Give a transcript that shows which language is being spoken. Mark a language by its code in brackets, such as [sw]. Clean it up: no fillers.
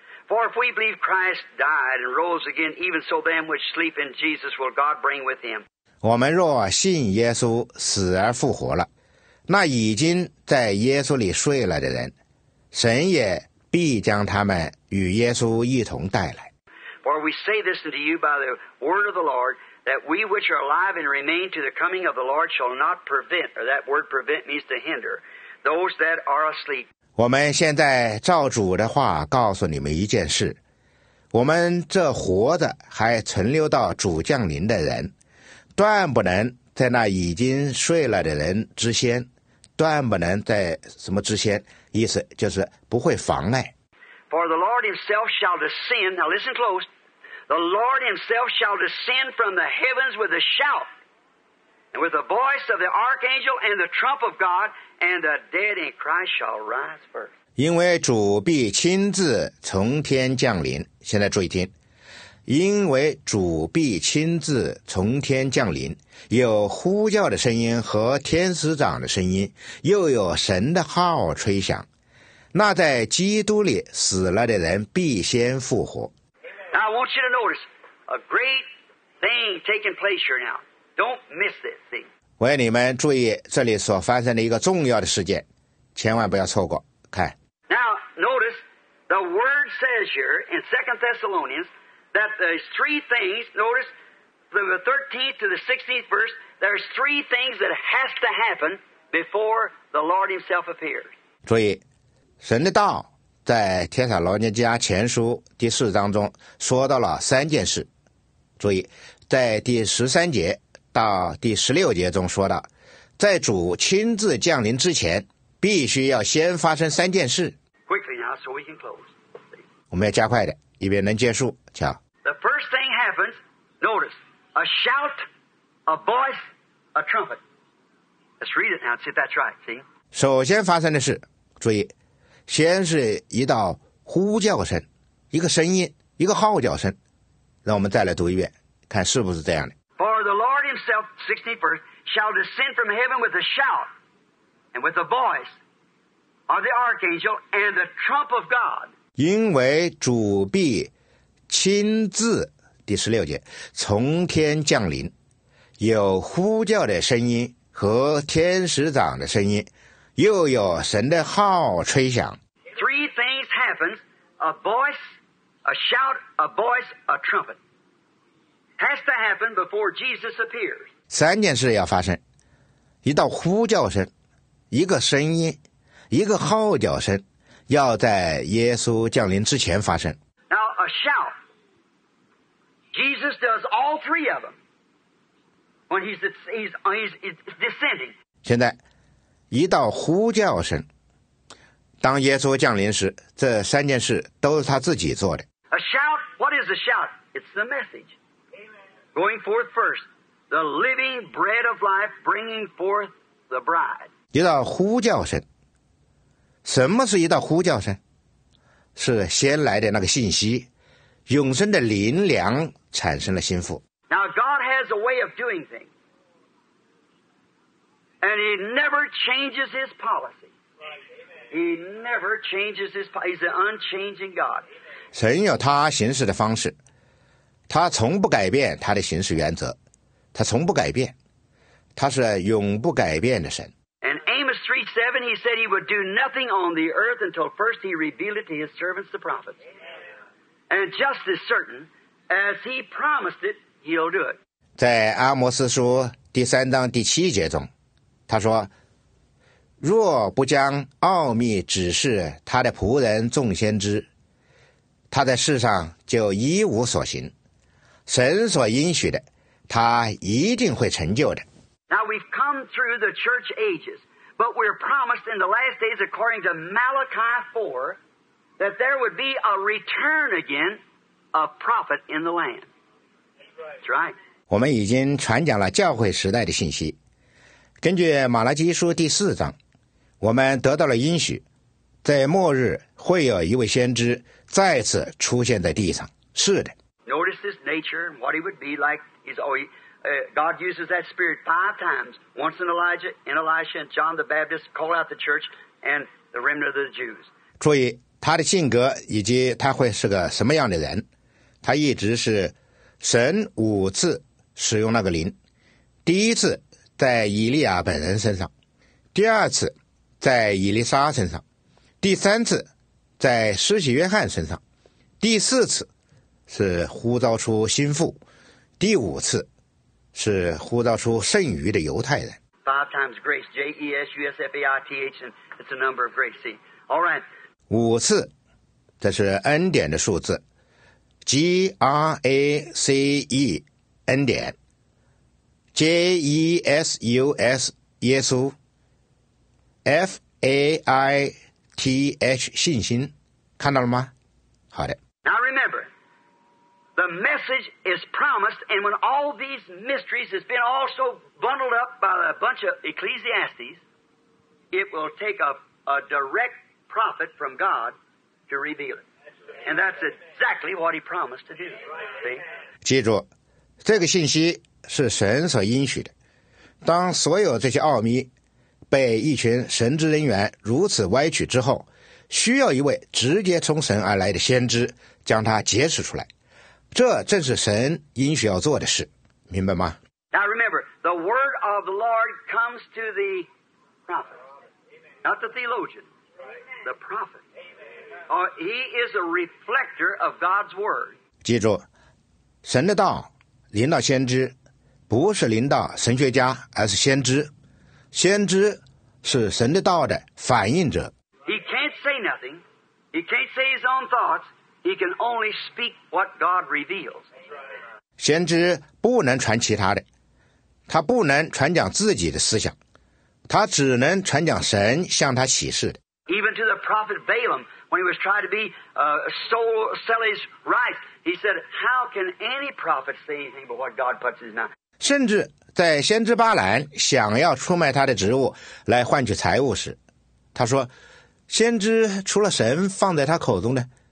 [en] For if we believe Christ died and rose again, even so them which sleep in Jesus will God bring with him. [zh] 我们若信耶稣死而复活了，那已经在耶稣里睡了的人，神也必将他们与耶稣一同带来。 [en] For we say this unto you by the word of the Lord, that we which are alive and remain to the coming of the Lord shall not prevent, or that word prevent means to hinder, those that are asleep. [zh] 我们现在照主的话告诉你们一件事，我们这活着还存留到主降临的人，断不能在那已经睡了的人之先，断不能在什么之先，意思就是不会妨碍。 [en] For the Lord himself shall descend, now listen close, the Lord himself shall descend from the heavens with a shout. With the voice of the archangel and the trump of God, and the dead in Christ shall rise first. [zh] 因为主必亲自从天降临。现在注意听，因为主必亲自从天降临，有呼叫的声音和天使长的声音，又有神的号吹响。那在基督里死了的人必先复活。 [en] Now I want you to notice a great thing taking place here now. Don't miss this thing. [zh] 我要你们注意这里所发生的一个重要的事件，千万不要错过。看。 [en] Now, notice, the word says here in 2 Thessalonians that there's three things, notice, from the 13th to the 16th verse, there's three things that has to happen before the Lord himself appears. [zh] 注意，神的道在帖撒罗尼迦前书第四章中说到了三件事。注意，在第十三节到第十六节中说的，在主亲自降临之前，必须要先发生三件事。 [en] Quickly now, so we can close. [zh] 我们要加快的，以便能结束。瞧。 [en] The first thing happens, notice, a shout, a voice, a trumpet. Let's read it now, see if that's right, see? [zh] 首先发生的是，注意，先是一道呼叫声，一个声音，一个号角声。让我们再来读一遍，看是不是这样的。 [en] For the Lord himself, 16th verse, shall descend from heaven with a shout, and with the voice of the archangel, and the trump of God. [zh] 因为主必亲自，第十六节，从天降临，有呼叫的声音和天使长的声音，又有神的号吹响。 [en] Three things happen, a voice, a shout, a voice, a trumpet. Has to happen before Jesus appears. [zh] 三件事要发生，一道呼叫声，一个声音，一个号角声，要在耶稣降临之前发生。 [en] Now a shout. Jesus does all three of them when he's descending. [zh] 现在，一道呼叫声。当耶稣降临时，这三件事都是他自己做的。 [en] A shout, what is a shout? It's the message. Going forth first, the living bread of life bringing forth the bride. [zh] 一道呼叫声。什么是一道呼叫声？是先来的那个信息，永生的灵粮产生了心腹。 [en] Now God has a way of doing things, and He never changes His policy. He never changes His policy. He's an unchanging God. [zh] 神有他行事的方式，他从不改变他的行事原则，他从不改变，他是永不改变的神。 [en] 7, he said he would do nothing on the earth until first he revealed it to his servants, the prophets. And just as certain as he promised it, he'll do it. [zh] 在阿摩斯书第三章第七节中，他说：“若不将奥秘指示他的仆人众先知，他在世上就一无所行。神所应许的，他一定会成就的。” [en] Now we've come through the church ages. But we're promised in the last days, according to Malachi 4, that there would be a return again of prophet in the land. That's right. [zh] 我们已经传讲了教会时代的信息。根据马拉基书第四章，我们得到了应许，在末日会有一位先知再次出现在地上。是的。 [en] Notice his nature and what he would be like. He's always... God uses that spirit five times, once in Elijah, in Elisha, and John the Baptist, call out the church and the remnant of the Jews. [zh] 注意他的性格以及他会是个什么样的人。他一直是神五次使用那个灵。第一次在以利亚本人身上，第二次在以利沙身上，第三次在施洗约翰身上，第四次是呼召出心腹，第五次是呼召出剩余的犹太人。 [en] Five times grace, J E S U S F A I T H, and it's a number of grace. See, all right. [zh] 五次，这是恩典的数字 ，G R A C E, 恩典 ，J E S U S, 耶稣 ，F A I T H, 信心，看到了吗？好的。 [en] Now remember. The message is promised, and when all these mysteries has been also bundled up by a bunch of Ecclesiastes, it will take a direct prophet from God to reveal it. And that's exactly what he promised to do. See? [zh] 记住，这个信息是神所应许的。当所有这些奥秘被一群神职人员如此歪曲之后，需要一位直接从神而来的先知将它解释出来。这正是神应许要做的事，明白吗？ [en] Now remember, the word of the Lord comes to the prophet, not the theologian, the prophet. He is a reflector of God's word. [zh] 记住，神的道临到先知，不是临到神学家，而是先知。先知是神的道的反映者。 [en] He can't say nothing. He can't say his own thoughts. He can only speak what God reveals. [zh] 先知不能传其他的，他不能传讲自己的思想，他只能传讲神向他启示的。 [en] Even to the prophet Balaam, when he was trying to be sell his rights, he said, "How can any prophet say anything but what God puts in his mouth?" [zh] 甚至在先知巴兰想要出卖他的职务来换取财物时，他说：“先知除了神放在他口中的。”